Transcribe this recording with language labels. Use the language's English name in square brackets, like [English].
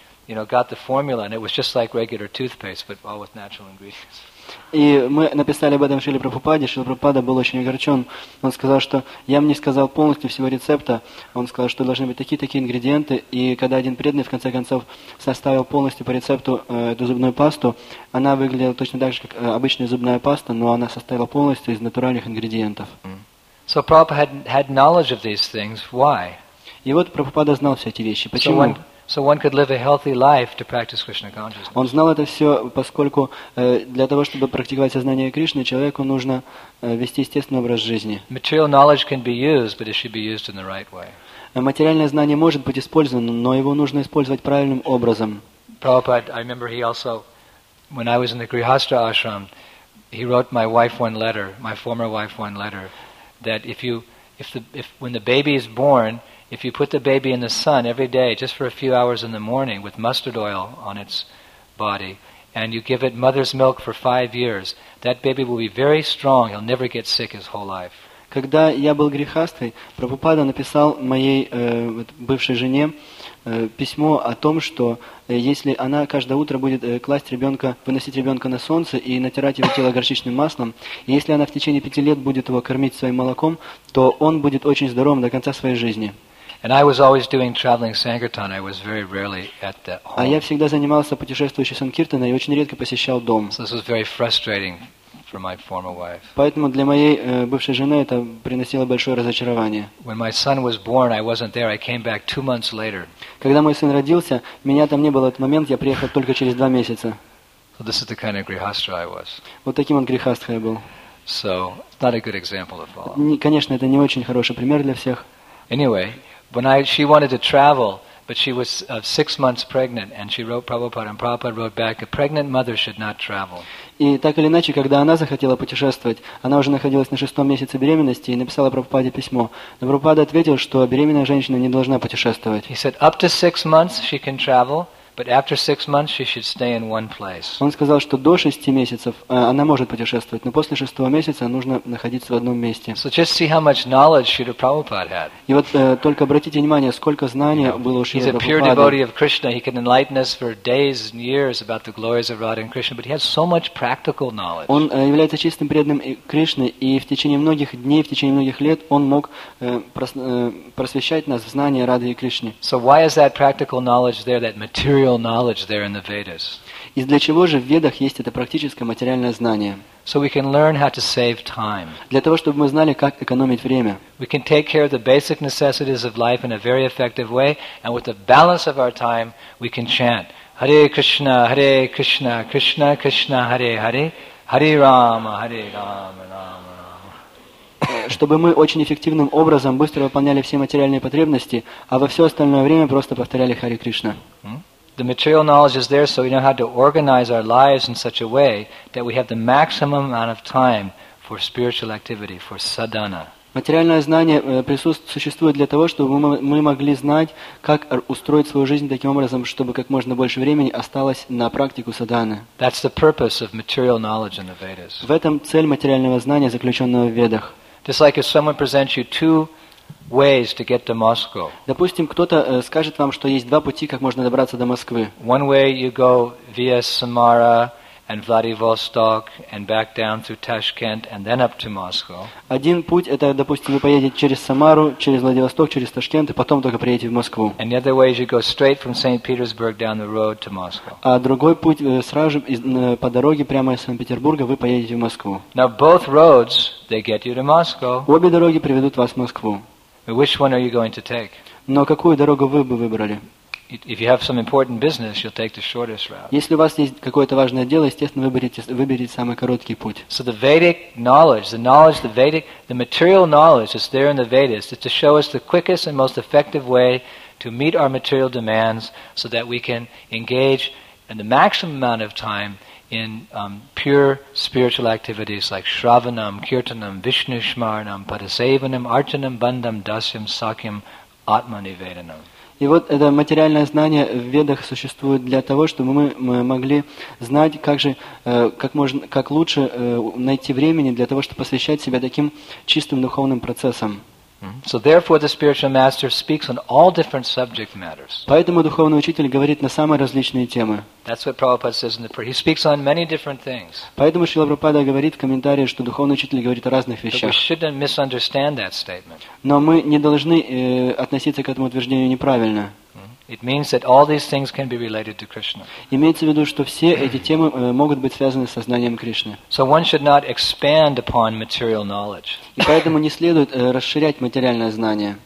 [English] You know, got the formula, and it was just like regular toothpaste, but all with natural ingredients. [Russian] И мы написали об этом Шриле Прабхупаде. Шрила Прабхупада был очень огорчен. Он сказал, что я мне сказал полностью всего рецепта. Он сказал, что должны быть такие-такие ингредиенты. И когда один преданный в конце концов составил полностью по рецепту эту зубную пасту, она выглядела точно так же, как обычная зубная паста, но она состояла полностью из натуральных ингредиентов. [English] So Prabhupada had knowledge of these things. Why? [Russian] И вот Прабхупада знал все эти вещи. Почему? [English] So one could live a healthy life to practice Krishna consciousness. [Russian] Он знал это все, поскольку для того, чтобы практиковать сознание Кришны, человеку нужно вести естественный образ жизни. [English] Material knowledge can be used, but it should be used in the right way. [Russian] Материальное знание может быть использовано, но его нужно использовать правильным образом. [English] Prabhupada, I remember he also, when I was in the Grihastha ashram, he wrote my wife one letter, my former wife one letter, that when the baby is born. If you put the baby in the sun every day, just for a few hours in the morning, with mustard oil on its body, and you give it mother's milk for 5 years, that baby will be very strong. He'll never get sick his whole life. [Russian] Когда я был грехастой, Прабхупада написал моей бывшей жене, письмо о том, что если она каждое утро будет класть ребенка, выносить ребенка на солнце и натирать его тело горчичным маслом, и если она в течение 5 лет будет его кормить своим молоком, то он будет очень здоровым до конца своей жизни. [English] And I was always doing traveling sankirtan. I was very rarely at the home. [Russian] А я всегда занимался путешествующим санкиртаной и очень редко посещал дом. [English] So this was very frustrating for my former wife. [Russian] Поэтому для моей бывшей жены это приносило большое разочарование. [English] When my son was born, I wasn't there. I came back 2 months later. [Russian] Когда мой сын родился, меня там не было в этот момент. Я приехал только через 2 месяца. [English] So this is the kind of grihastha I was. [Russian] Вот таким вот грихастха я был. [English] So it's not a good example to follow. [Russian] Конечно, это не очень хороший пример для всех. [English] Anyway. She wanted to travel, but she was 6 months pregnant, and she wrote Prabhupada, and Prabhupada wrote back, a pregnant mother should not travel. [Russian] И так или иначе, когда она захотела путешествовать, она уже находилась на 6-м месяце беременности и написала Прабхупаде письмо. Но Прабхупада ответил, что беременная женщина не должна путешествовать. [English] He said, up to 6 months she can travel, but after 6 months she should stay in one place. [Russian] Он сказал, что до 6 месяцев она может путешествовать, но после 6-го месяца нужно находиться в одном месте. [English] So just see how much knowledge Śrīla Prabhupāda had. [Russian] И вот только обратите внимание, сколько знания было у Śrīla Prabhupāda. [English] He's a pure devotee of Krishna. He can enlighten us for days and years about the glories of Radha and Krishna, but he has so much practical knowledge. [Russian] Он является чистым преданным Кришны, и в течение многих дней, в течение многих лет он мог просвещать нас в знании Рады и Кришны. [English] So why is that practical knowledge there, that material knowledge there in the Vedas? [Russian] И для чего же в Ведах есть это практическое материальное знание? [English] So we can learn how to save time. [Russian] Для того, чтобы мы знали, как экономить время. [English] We can take care of the basic necessities of life in a very effective way, and with the balance of our time, we can chant Hare Krishna, Krishna Krishna, Hare Hare, Hare Rama, Rama Rama. [Russian] Чтобы мы очень эффективным образом быстро выполняли все материальные потребности, а во все остальное время просто повторяли Хари Кришна. [English] The material knowledge is there, so we know how to organize our lives in such a way that we have the maximum amount of time for spiritual activity, for sadhana. [Russian] Материальное знание существует для того, чтобы мы могли знать, как устроить свою жизнь таким образом, чтобы как можно больше времени осталось на практику садханы. [English] That's the purpose of material knowledge in the Vedas. [Russian] В этом цель материального знания, заключенного в Ведах. [English] Just like if someone presents you 2 ways to get to Moscow. [Russian] Допустим, кто-то скажет вам, что есть 2 пути, как можно добраться до Москвы. [English] One way you go via Самара and Vladivostok and back down through Tashkent and then up to Moscow. [Russian] Один путь это, допустим, вы поедете через Самару, через Владивосток, через Ташкент и потом только приедете в Москву. [English] And the other way is you go straight from St. Petersburg down the road to Moscow. [Russian] А другой путь сразу же по дороге прямо из Санкт-Петербурга вы поедете в Москву. [English] Now both roads they get you to Moscow. [Russian] Обе дороги приведут вас в Москву. [English] Which one are you going to take? [Russian] Но какую дорогу вы бы выбрали? [English] If you have some important business, you'll take the shortest route. [Russian] Если у вас есть какое-то важное дело, естественно, выберете самый короткий путь. [English] So the Vedic knowledge, the material knowledge that's there in the Vedas is to show us the quickest and most effective way to meet our material demands so that we can engage in the maximum amount of time in pure spiritual activities like Shravanam, Kirtanam, Vishnushmaranam, Padasevanam, Archanam, Bandham, Dasyam, Sakyam, Atmanivedanam. [Russian] И вот это материальное знание в Ведах существует для того, чтобы мы могли знать, как лучше найти времени для того, чтобы посвящать себя таким чистым духовным процессам. [English] So therefore the spiritual master speaks on all different subject matters. [Russian] Поэтому духовный учитель говорит на самые различные темы. [English] That's what Prabhupada says in the prayer. He speaks on many different things. [Russian] Поэтому Шрила Прабхупада говорит в комментарии, что духовный учитель говорит о разных вещах. [English] But we shouldn't misunderstand that statement. [Russian] Но мы не должны относиться к этому утверждению неправильно. [English] It means that all these things can be related to Krishna. [Russian] Имеется в виду, что все эти темы могут быть связаны с сознанием Кришны. [English] So one should not expand upon material knowledge. [Russian] И поэтому не следует расширять материальное знание.